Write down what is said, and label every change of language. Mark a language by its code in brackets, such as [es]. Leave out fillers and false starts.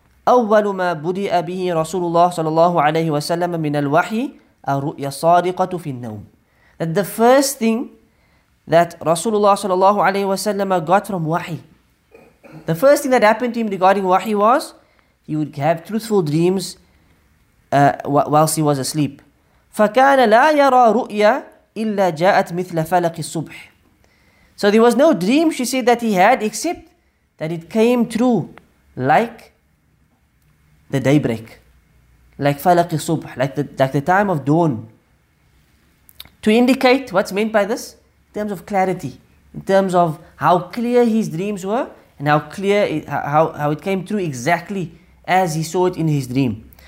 [ar] أول ما بدأ به رسول الله صلى الله عليه وسلم من الوحي الرؤيا الصادقة في النوم. [en] That the first thing that Rasulullah صلى الله عليه وسلم got from wahi, the first thing that happened to him regarding wahi was he would have truthful dreams whilst he was asleep. [ar] فكان لا يرى رؤيا إلا جاءت مثل فلق الصبح. [en] So there was no dream, she said, that he had except that it came true like the daybreak, like [ar] فلق الصبح, [en] like the time of dawn. To indicate what's meant by this, in terms of clarity, in terms of how clear his dreams were and how clear it, how it came true exactly as he saw it in his dream.